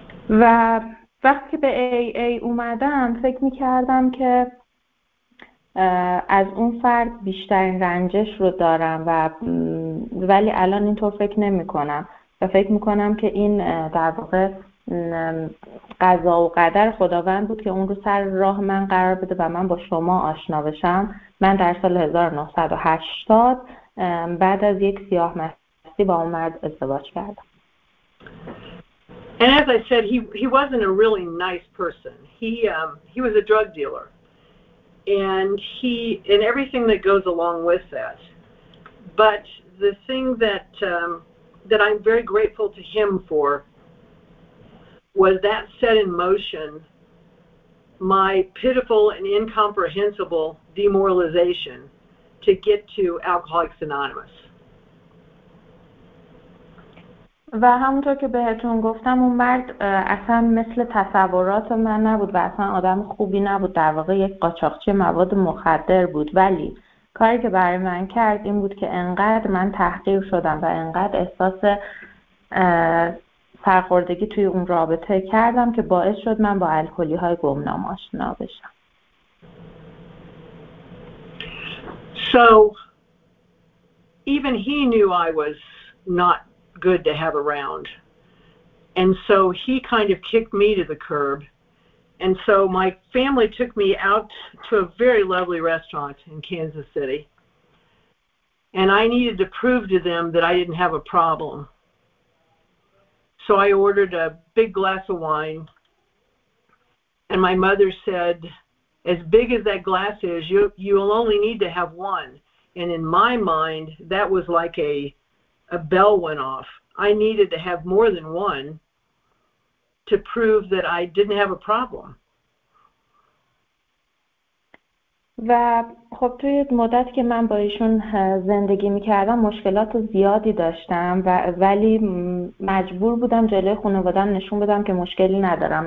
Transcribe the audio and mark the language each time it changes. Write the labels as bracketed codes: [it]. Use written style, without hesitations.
[fa] و وقتی به AA اومدم فکر میکردم که از اون فرد بیشترین رنجش رو دارم و ولی الان اینطور فکر نمیکنم و فکر میکنم که این در واقع قضا و قدر خداوند بود که اون رو سر راه من قرار بده و من با شما آشنا بشم. من در سال 1980 بعد از یک سیاه مستی با اون مرد ازدواج کردم. [en] And as I said, he wasn't a really nice person. He was a drug dealer. And everything that goes along with that. But the thing that I'm very grateful to him for was that set in motion my pitiful and incomprehensible demoralization to get to Alcoholics Anonymous. [fa] و همونطور که بهتون گفتم اون مرد اصلا مثل تصورات من نبود و اصلا آدم خوبی نبود، در واقع یک قاچاقچی مواد مخدر بود، ولی کاری که برای من کرد این بود که انقدر من تحقیر شدم و انقدر احساس سرخوردگی توی اون رابطه کردم که باعث شد من با الکلی های گمنام آشنا بشم. [en] So even he knew I was not good to have around, and so he kind of kicked me to the curb, and so my family took me out to a very lovely restaurant in Kansas City, and I needed to prove to them that I didn't have a problem. So I ordered a big glass of wine, and my mother said, as big as that glass is, you'll only need to have one. And in my mind, that was like a bell went off. I needed to have more than one to prove that I didn't have a problem. [fa] و خب توی مدت که من با ایشون زندگی میکردم مشکلات زیادی داشتم، و ولی مجبور بودم جلوی خانواده‌ام نشون بدم که مشکلی ندارم.